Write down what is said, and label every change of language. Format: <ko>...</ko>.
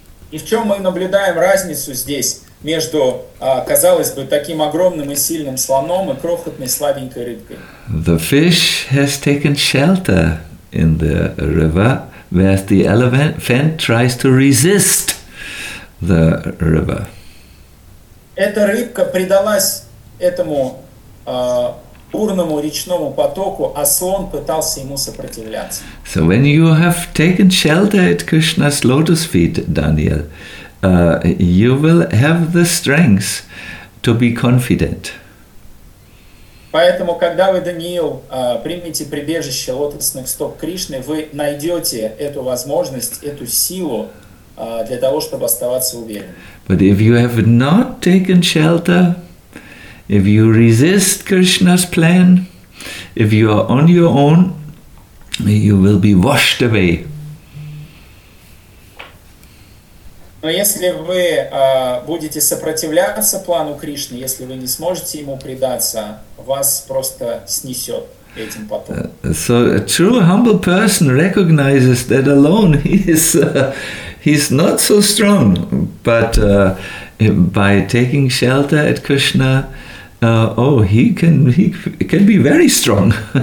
<ru>И в чем мы наблюдаем разницу здесь между, казалось бы, таким огромным и сильным слоном и крохотной слабенькой рыбкой?</ru> <en>The fish has taken shelter in the river, whereas the elephant tries to resist the river.</en> <ru>Эта рыбка предалась этому бурному речному потоку, а слон пытался ему сопротивляться.</ru> <en>So when you have taken shelter at Krishna's lotus feet, Daniel, you will have the strength to be confident.</en> <ru>Поэтому, когда вы, Даниил, примете прибежище лотосных стоп Кришны, вы найдете эту возможность, эту силу для того, чтобы оставаться уверенным.</ru> <en>But if you have not taken shelter, if you resist Krishna's plan, if you are on your own, you will be washed away.</en> <ru>Но если вы будете сопротивляться плану Кришны, если вы не сможете ему предаться, вас просто снесет этим потоком.</ru> <en>So a true humble person recognizes that alone he's not so strong, but by taking shelter at Krishna, he can be very strong.</en>